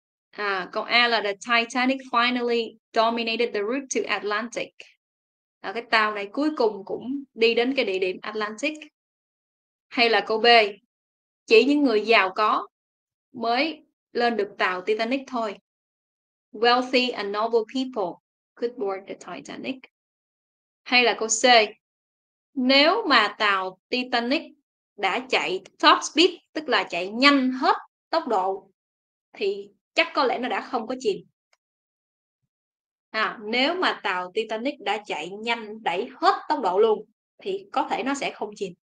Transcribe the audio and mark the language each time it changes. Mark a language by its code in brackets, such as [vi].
[vi] À, câu A là [en] the Titanic finally dominated the route to Atlantic. [vi] À, cái tàu này cuối cùng cũng đi đến cái địa điểm Atlantic. Hay là câu B, chỉ những người giàu có mới lên được tàu Titanic thôi. [en] Wealthy and noble people could board the Titanic. [vi] Hay là câu C, nếu mà tàu Titanic đã chạy top speed, tức là chạy nhanh hết tốc độ, thì chắc có lẽ nó đã không có chìm. À, nếu mà tàu Titanic đã chạy nhanh, đẩy hết tốc độ luôn, thì có thể nó sẽ không chìm.